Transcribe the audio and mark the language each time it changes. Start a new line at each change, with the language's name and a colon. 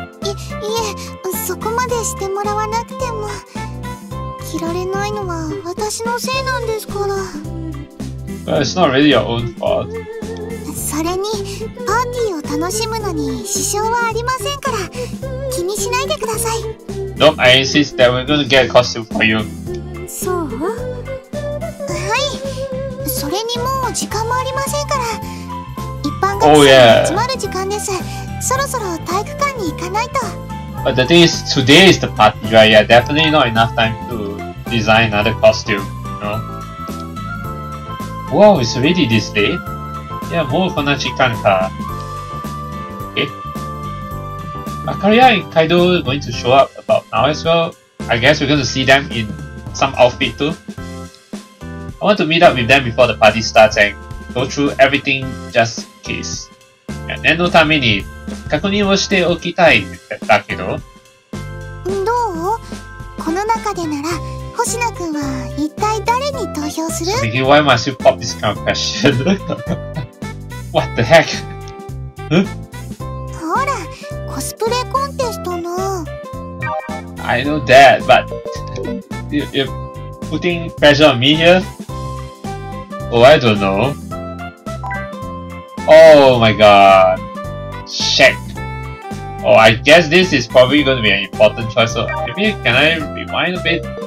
Japanese: いえ、そこまでしてもらわなくても。着られないのは私のせいなんですから。
English: Well, it's not really your own fault.
Japanese: それに、パーティーを楽しむのに支障はありませんから、気にしないでください。
English: Nope, I insist that we're gonna get a costume for you.
Japanese: そう?はい。それにもう時間もありませんから。一般学生が集まる時間です。そろそろ体育館に行かないと。
English: But the thing is, today is the party, right? Yeah, definitely not enough time to design another costume, you know? Wow, it's already this late?
Japanese: いや、もうこんな時間か。え?
English: マカリア and カイドウ are going to show up about now as well. I guess we're going to see them in some outfit too. I want to meet up with them before the party starts and go through everything just in case.
Japanese: 念のために確認をしておきたいだけど。どう? この中でなら、ホシナ君は一体誰に投票する?
English: Speaking, why must you pop this kind of question? What the heck?
Japanese: ほら、コスプレコンテストの。
English: I know that, but you're putting pressure on me here? Oh, I don't know. Oh my god. Check. Oh, I guess this is probably going to be an important choice. So maybe can I rewind a bit?